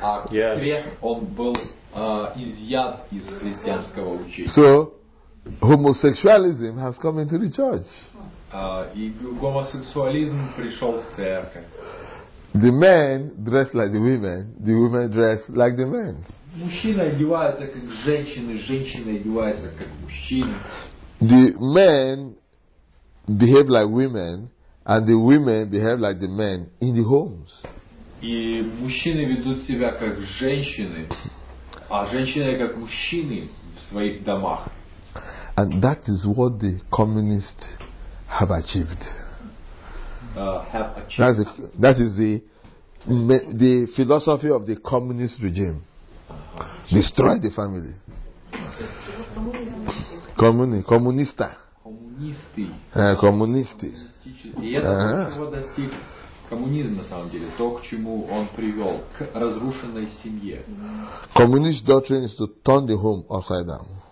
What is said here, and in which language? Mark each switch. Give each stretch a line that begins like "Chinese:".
Russian: Крест, он был изъят из христианского учения.
English: So, homosexualism has come into the church.
Russian: И гомосексуализм пришел в церковь.
English: The men dress like the women dress like the men.
Russian: Мужчина одевается как женщина одевается как мужчина.
English: The men behave like women, and the women behave like the men in the homes.
Russian: И мужчины ведут себя как женщины, а женщины как мужчины в своих домах.
English: And that is what the communists have achieved. That is the philosophy of the communist regime. Destroy the family.
Russian: Коммуниста. Коммунисты. Коммунисты. И это то, чего достиг коммунизм на самом деле, то, к чему он привел, к разрушенной семье.
English: Communist doctrine is to turn the home upside down.